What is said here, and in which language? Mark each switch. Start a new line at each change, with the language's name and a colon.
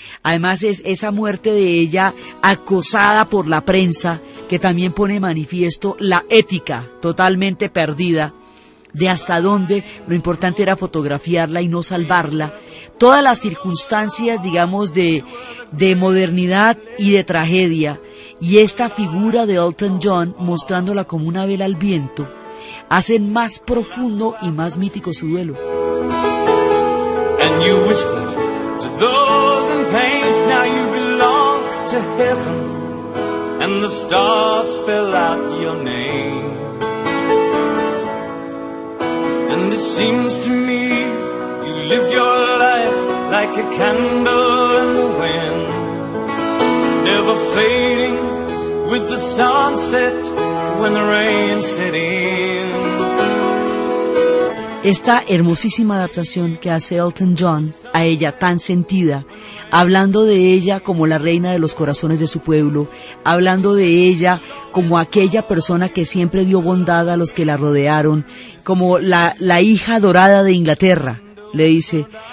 Spanish: Además, es esa muerte de ella, acosada por la prensa, que también pone manifiesto la ética totalmente perdida, de hasta dónde lo importante era fotografiarla y no salvarla. Todas las circunstancias, digamos, de modernidad y de tragedia, y esta figura de Elton John mostrándola como una vela al viento, hacen más profundo y más mítico su duelo.
English: And you whisper to those in pain, now you belong to heaven, and the stars spell out your name. And it seems to me you lived your life like a candle in the wind, never fading with the sunset when the rain set in.
Spanish: Esta hermosísima adaptación que hace Elton John a ella, tan sentida, hablando de ella como la reina de los corazones de su pueblo, hablando de ella como aquella persona que siempre dio bondad a los que la rodearon, como la hija dorada de Inglaterra, le dice,